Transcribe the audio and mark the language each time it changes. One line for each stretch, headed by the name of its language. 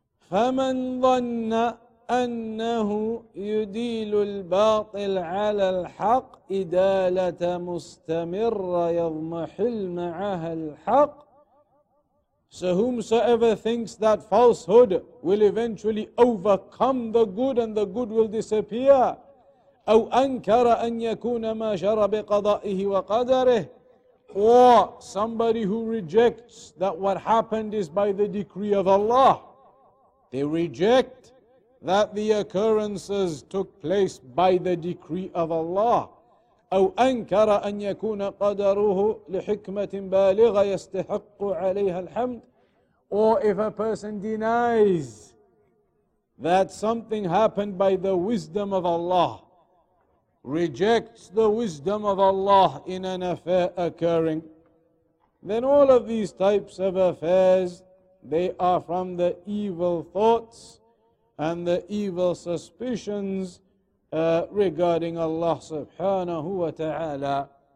Arabic: فَمَنْ ظَنَّ أنه يديل الباطل على الحق إدالة مستمرة يضمحل معها الحق.
English: So whomsoever thinks that falsehood will eventually overcome the good and the good will disappear,
Arabic: أو أنكر أن يكون ما جرى بقضائه وقدره,
English: or somebody who rejects that what happened is by the decree of Allah, they reject that the occurrences took place by the decree of Allah.
Arabic: أو أنكر أن يكون قدره لحكمة بالغة يستحق عليها الحمد.
English: Or if a person denies that something happened by the wisdom of Allah, rejects the wisdom of Allah in an affair occurring, then all of these types of affairs, they are from the evil thoughts and the evil suspicions regarding Allah subhanahu wa ta'ala.